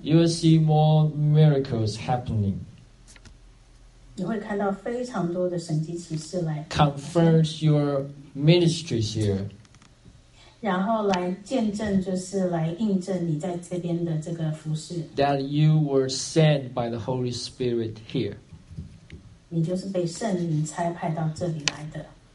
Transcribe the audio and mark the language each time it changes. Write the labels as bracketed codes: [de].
[en] You will see more miracles happening. [zh] 你会看到非常多的神迹启示来。 [en] Confirms your ministries here. [zh] 然后来见证，就是来印证你在这边的这个服事。 [en] That you were sent by the Holy Spirit here. [zh] 你就是被圣灵差派到这里来的。